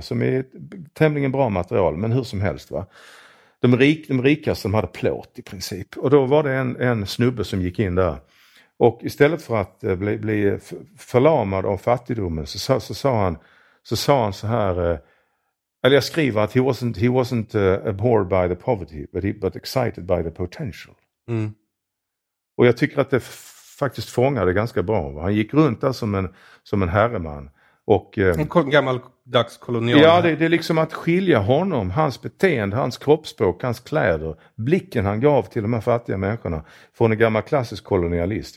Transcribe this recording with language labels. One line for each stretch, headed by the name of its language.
Swedish: Som är tämligen bra material. Men hur som helst, va. De rikaste som hade plåt i princip. Och då var det en snubbe som gick in där. Och istället för att bli förlamad av fattigdomen så sa han så här. Eller jag skriver att
English: he wasn't abhorred by the poverty but excited by the potential. Mm.
Swedish: Och jag tycker att det faktiskt fångade ganska bra. Va? Han gick runt där som en herreman. Och, gammaldags kolonial. Ja, det är liksom att skilja honom, hans beteende, hans kroppsspråk, hans kläder, blicken han gav till de här fattiga människorna från en gammal klassisk kolonialist.